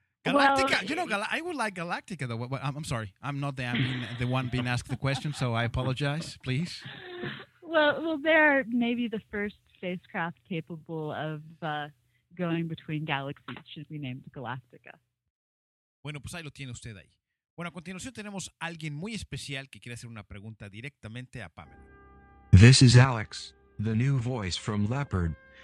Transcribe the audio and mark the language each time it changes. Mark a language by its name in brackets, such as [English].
[English] Galactica, well, you know, I would like Galactica, though. I'm sorry. I'm not the one being asked the question, so I apologize, please. Well, they're maybe the first spacecraft capable of going between galaxies, should be named Galactica. [Spanish] Bueno, pues ahí lo tiene usted ahí. Bueno, a continuación tenemos a alguien muy especial que quiere hacer una pregunta directamente a Pamela. [English] This is Alex, the new voice from Leopard.